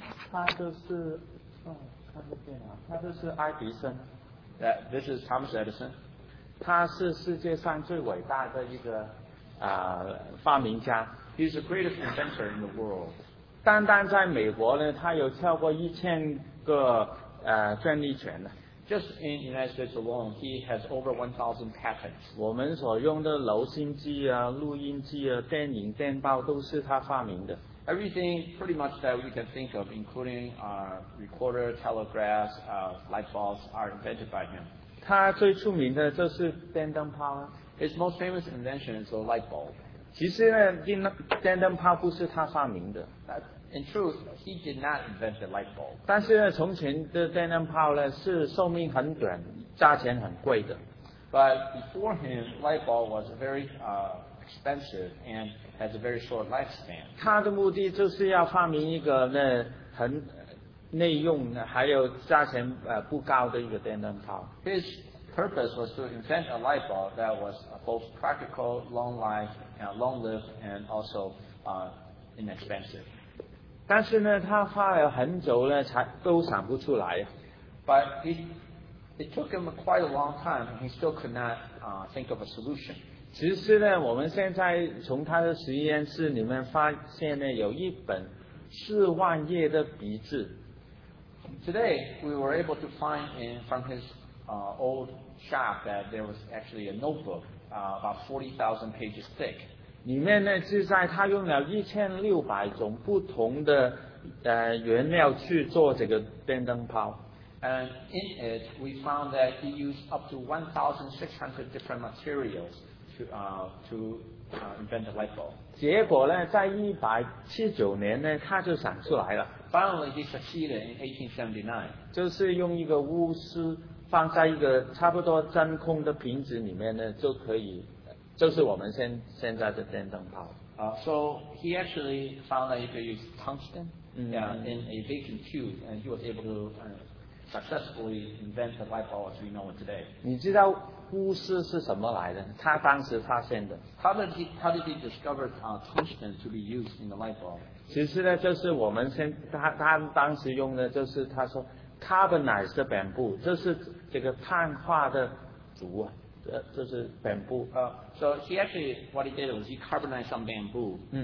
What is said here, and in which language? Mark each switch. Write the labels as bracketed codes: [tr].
[zh] 他就是，他是电脑，他就是爱迪生。 [en] This is Thomas Edison. [zh] 他是世界上最伟大的一个发明家。 [en] He's the greatest inventor in the world. [zh] 单单在美国呢，他有超过1000个专利权呢。 [en] Just in the United States alone, he has over 1,000 patents. [zh] 我们所用的楼心机啊、录音机啊、电影电报都是他发明的。 [en] Everything pretty much that we can think of, including recorder, telegraphs, light bulbs, are invented by him. [zh] 他最出名的就是电灯泡。 [en] His most famous invention is the light bulb. [zh] 其实呢，电灯泡不是他发明的。 [en] In truth, he did not invent the light bulb. [zh] 但是呢，从前的电灯泡呢是寿命很短，价钱很贵的。 [en] But before him, light bulb was very expensive and has a very short lifespan. [zh] 他的目的就是要发明一个那很内用还有价钱不高的一个电灯泡。 [en] His purpose was to invent a light bulb that was both practical, long-lived, and also inexpensive. [zh] 但是呢，他花了很久呢，才都想不出来。 [en] But it took him quite a long time, and he still could not think of a solution. [zh] 其实呢，我们现在从他的实验室里面发现呢，有一本40000页的笔记。 [en] Today we were able to find in from his old shop that there was actually a notebook about 40,000 pages thick. [zh] 里面呢，是在他用了1600种不同的原料去做这个电灯泡。 [en] And in it, we found that he used up to 1,600 different materials to invent a light bulb. [zh] 结果呢，在179年呢，他就想出来了。 [en] Finally, he succeeded in 1879. [zh] 就是用一个钨丝放在一个差不多真空的瓶子里面呢，就可以。就是我们现在的电灯泡。 [en] So he actually found that he could use tungsten in a vacuum tube, and he was able to successfully invent the light bulb as we know it today. [zh] 你知道钨丝是什么来的？他当时发现的。 [en] How did he discover tungsten to be used in the light bulb? [zh] 其实呢，就是我们他当时用的就是他说 carbonized 的碳布，就是这个碳化的竹啊。就是 bamboo. [en] So he actually, what he did was he carbonized some bamboo.